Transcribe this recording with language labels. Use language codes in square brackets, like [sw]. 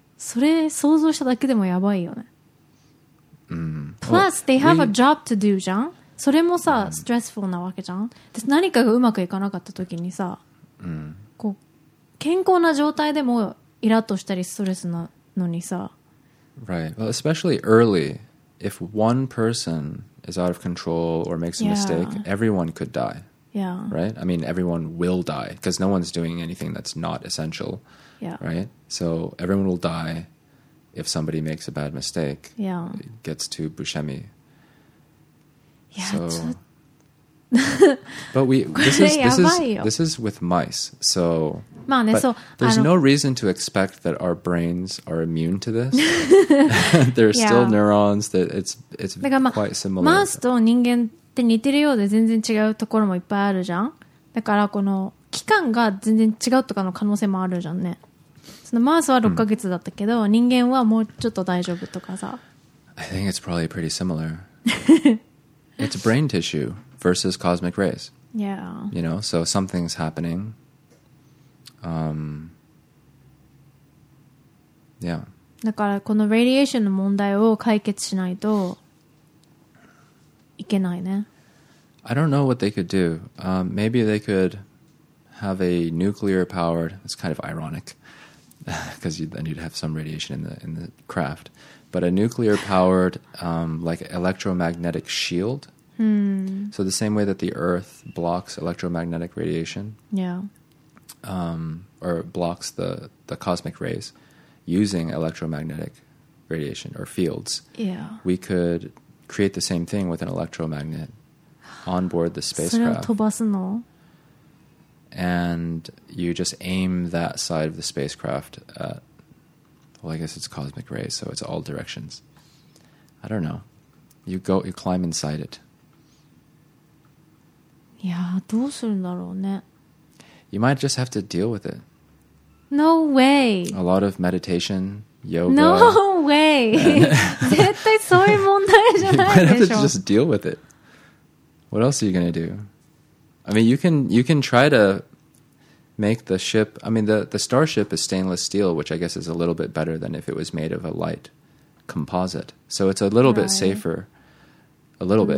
[ja] それ想像しただけでもやばいよね。 Mm-hmm. [en] Plus, well, they have a job to do じゃん。 [ja] それもさ、ストレスフルなわけじゃん。で、何かがうまくいかなかったときにさ、うん、こう健康な状態でもイラッとしたりストレスなのにさ、 [en] right. Well, especially early, if one person is out of control or makes a mistake, yeah. everyone could die. Yeah. Right. I mean, everyone will die because no one's doing anything that's not essential. Yeah. Right. So everyone will die if somebody makes a bad mistake. Yeah. It gets to Buscemi. Yeah, so, but this is with mice. So, [ja] まあね、 [en] but so, there's no reason to expect that our brains are immune to this. There's still neurons that it's quite similar. [ja] マウスと人間って似てるようで全然違うところもいっぱいあるじゃん。だからこの期間が全然違うとかの可能性もあるじゃんね。そのマウスは6ヶ月だったけど、人間はもうちょっと大丈夫とかさ。 [en] I think it's probably pretty similar. It's brain tissue, versus cosmic rays. Yeah. You know, so something's happening. Yeah. [ja] だからこのレディエーションの問題を解決しないといけないね。 [en] I don't know what they could do. Maybe they could have a nuclear powered, it's kind of ironic, because then you'd have some radiation in the craft, but a nuclear powered, like electromagnetic shield. Hmm. So the same way that the Earth blocks electromagnetic radiation. Yeah. Or blocks the cosmic rays using electromagnetic radiation or fields. Yeah. We could create the same thing with an electromagnet on board the spacecraft. [ja] それを飛ばすの? [en] And you just aim that side of the spacecraft at, well, I guess it's cosmic rays, so it's all directions. I don't know. You climb inside it. [ja] いや、どうするんだろうね。 [en] You might just have to deal with it. No way. A lot of meditation, yoga. No way. [ja] 絶対そういう問題じゃないでしょ。 [en] You might have to just deal with it. What else are you going to do? I mean, you can try to make the ship... I mean, the starship is stainless steel, which I guess is a little bit better than if it was made of a light composite. So it's a little right. bit safer. A little bit.